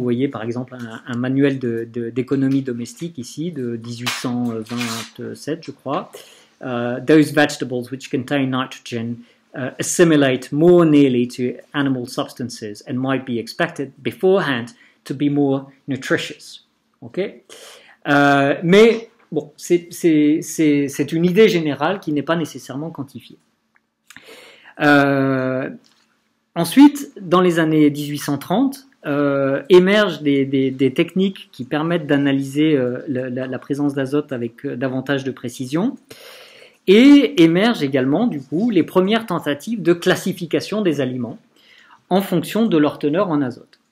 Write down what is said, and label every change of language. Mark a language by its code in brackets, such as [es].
[fr] Par exemple, un manuel d'économie domestique ici de 1827, je crois. [en] Those vegetables which contain nitrogen assimilate more nearly to animal substances and might be expected beforehand to be more nutritious. Ok. [fr] Mais bon, c'est une idée générale qui n'est pas nécessairement quantifiée. Ensuite, dans les années 1830, émergent des techniques qui permettent d'analyser la présence d'azote avec davantage de précision, et émergent également, du coup, les premières tentatives de classification des aliments en fonction de leur teneur en azote.